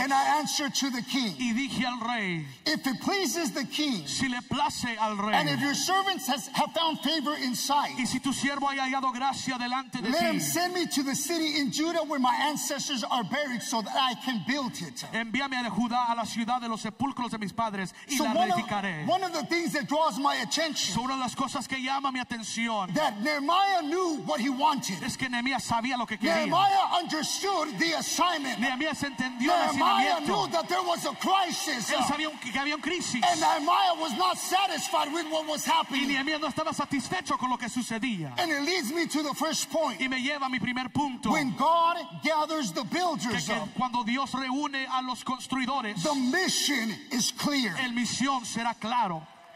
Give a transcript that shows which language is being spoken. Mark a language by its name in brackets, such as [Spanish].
[English] And I answered to the king. [Spanish] Y dije al rey. [English] If it pleases the king, [Spanish] si le place al rey, [English] and if your servants have found favor in sight, [Spanish] y si tu siervo haya hallado gracia delante de [English] let [Spanish] ti, [English] him send me to the city in Judah where my ancestors are buried so that I can build it. [Spanish] Envíame de Judá a la ciudad de los sepulcros de mis padres y so la edificaré. [English] One of the things that draws my attention, [Spanish] so una de las cosas que llama mi atención, [English] that Nehemiah knew what he wanted. [Spanish] Es que Nehemías sabía lo que quería. [English] Nehemiah understood the assignment. [Spanish] Nehemías entendió [English] Nehemiah knew that there was a crisis. [Spanish] Él sabía que había un crisis. [English] And Nehemiah was not satisfied with what was happening. [Spanish] Y Nehemiah no estaba satisfecho con lo que sucedía. [English] And it leads me to the first point. [Spanish] Y me lleva a mi primer punto. [English] When God gathers the builders, [Spanish] que cuando Dios reúne a los construidores, [English] the mission is clear. [Spanish] El misión será claro.